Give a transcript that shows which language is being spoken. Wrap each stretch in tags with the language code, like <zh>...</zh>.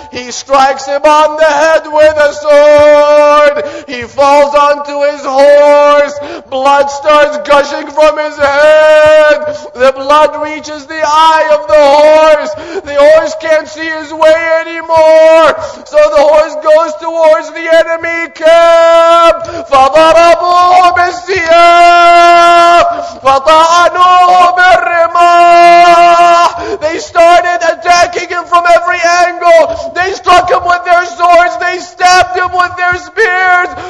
<en>He strikes him on the head with a sword. He falls onto his horse. Blood starts gushing from his head. The blood reaches the eye of the horse. The horse can't see his way anymore. So the horse goes towards the enemy camp.</en> <ar>فضربوه بالسياف فطعنوه بالرماح.</ar> <en>They started attacking him from every angle. They struck him with their swords. They stabbed him with their spears.</en>